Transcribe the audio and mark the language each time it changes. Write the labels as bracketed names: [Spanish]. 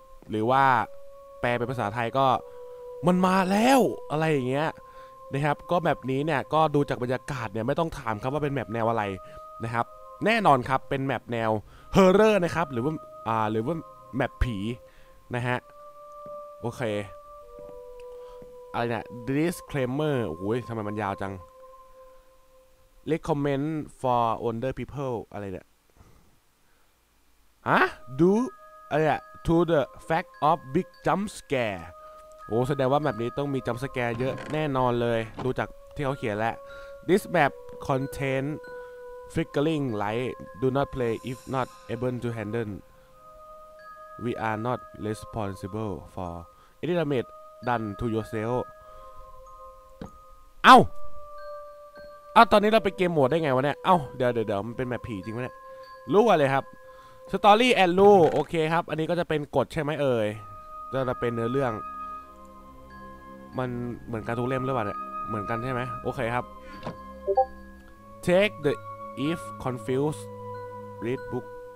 [Thai] หรือว่าแปลเป็นภาษาไทยก็มันมาแล้วอะไรอย่างเงี้ยนะครับก็แมปนี้เนี่ยก็ดูจากบรรยากาศเนี่ยไม่ต้องถามครับว่าเป็นแมปแนวอะไรนะครับแน่นอนครับเป็นแมปแนวฮอร์เรอร์นะครับหรือว่าแมปผีนะฮะโอเคอะไรเนี่ย disclaimer โอ้ยทำไมมันยาวจัง [English] recommend for older people [Thai] อะไรเนี่ย ฮะ อะไรเนี่ย [English] to the fact of big jump scare [Thai] โอ้แสดงว่าแมปนี้ต้องมีจัมป์สแกร์เยอะแน่นอนเลยดูจากที่เขาเขียนแล้ว [English] this map containFlickering light. Do not play if not able to handle. We are not responsible for any damage done to yourself. [Thai] เอ้าเอ้าตอนนี้เราไปเกมโหมดได้ไงวะเนี่ยเอ้าเดี๋ยวมันเป็นแมปผีจริงไหมเนี่ยรู้อะไรครับ [English] Story and rule [Thai] โอเคครับอันนี้ก็จะเป็นกฎใช่ไหมเอ่ยจะเป็นเนื้อเรื่องมันเหมือนการทุกเล่มหรือเปล่าเนี่ยเหมือนกันใช่ไหมโอเคครับ [English] Take theif confused read book